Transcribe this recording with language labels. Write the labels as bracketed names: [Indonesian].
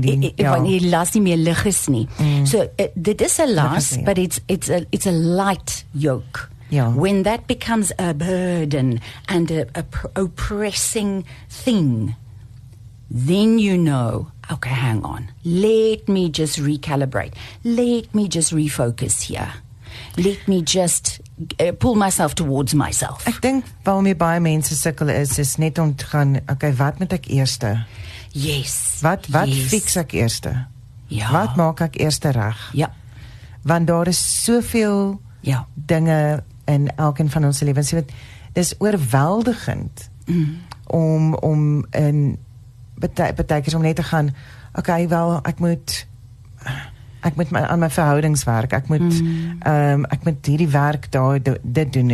[Afrikaans] Die las nie meer lig is nie. [English] So, [Afrikaans] dit is a las, [English] but it's a light yoke. Yeah. When that becomes a burden and a oppressing thing, then you know, okay, hang on. Let me just recalibrate. Let me just refocus here. Let me just pull myself towards myself. [Afrikaans] Ek dink waarmee baie mense sukkel is net om te gaan, okay, wat moet ek eerste? [English] Yes. [Afrikaans] Wat yes. Fix ek eerste? Ja. Wat maak ek eerste reg? Ja. Want daar is soveel ja. Dinge in elkeen van ons lewens. Dit is oorweldigend om in betekens om net te gaan, okay, wel, ek moet aan my verhoudings werk. Ek moet hierdie werk daar dit doen.